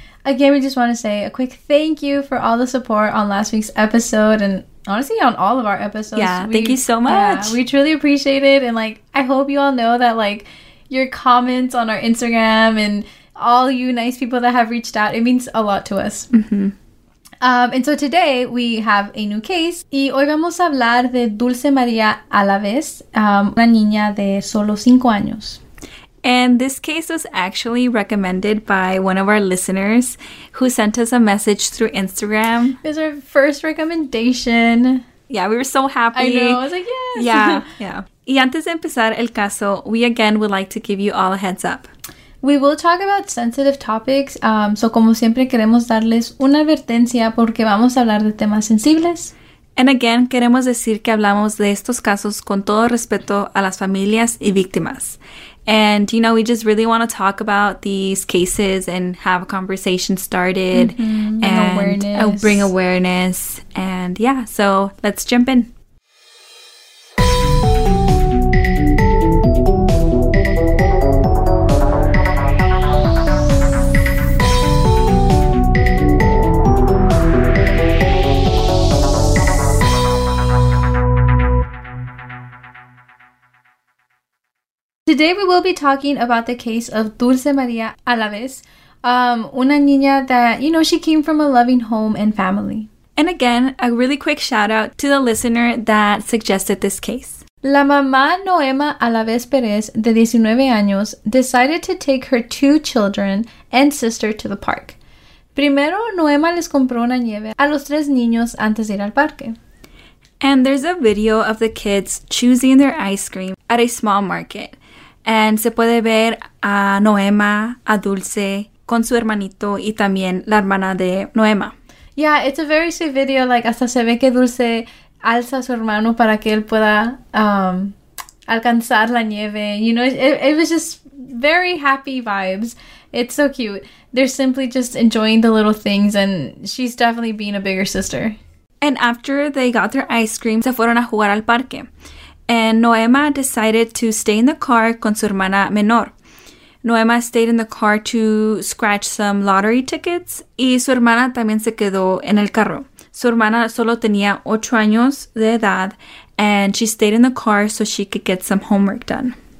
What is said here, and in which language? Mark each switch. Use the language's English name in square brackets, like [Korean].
[English] Again, we just want to say a quick thank you for all the support on last week's episode and honestly on all of our episodes. Yeah, thank you so much. Yeah, we truly appreciate it. And like, I hope you all know that like your comments on our Instagram and all you nice people that have reached out, it means a lot to us. Mm-hmm. And so today we have a new case. [Spanish] Y hoy vamos a hablar de Dulce María Alaves, una niña de solo 5 años. [English] And this case was actually recommended by one of our listeners who sent us a message through Instagram. It was our first recommendation. Yeah, we were so happy. I know, I was like, yes. Yeah, yeah. [Spanish] Y antes de empezar el caso, [English] we again would like to give you all a heads up. We will talk about sensitive topics, so [Spanish] como siempre queremos darles una advertencia porque vamos a hablar de temas sensibles. [English] And again, [Spanish] queremos decir que hablamos de estos casos con todo respeto a las familias y víctimas. [English] And, you know, we just really want to talk about these cases and have a conversation started. Mm-hmm. Bring awareness. And yeah, so let's jump in. Today we will be talking about the case of Dulce María Alaves, [Spanish] una niña [English] that, you know, she came from a loving home and family. And again, a really quick shout out to the listener that suggested this case. [Spanish] La mamá [English] Noema Alaves Pérez, [Spanish] de 19 años, [English] decided to take her 2 children and sister to the park. [Spanish] Primero, Noema les compró una nieve a los 3 niños antes de ir al parque. [English] And there's a video of the kids choosing their ice cream at a small market. [Spanish] And se puede ver a Noema, a Dulce, con su hermanito y también la hermana de Noema. [English] Yeah, it's a very sweet video. [Spanish] Like, hasta se ve que Dulce alza a su hermano para que él pueda alcanzar la nieve. [English] You know, it was just very happy vibes. It's so cute. They're simply just enjoying the little things and she's definitely being a bigger sister. And after they got their ice cream, [Spanish] se fueron a jugar al parque. [English] And Noema decided to stay in the car [Spanish] con su hermana menor. [English] Noema stayed in the car to scratch some lottery tickets. [Spanish] Y su hermana también se quedó en el carro. Su hermana solo tenía 8 años de edad. [English] And she stayed in the car so she could get some homework done.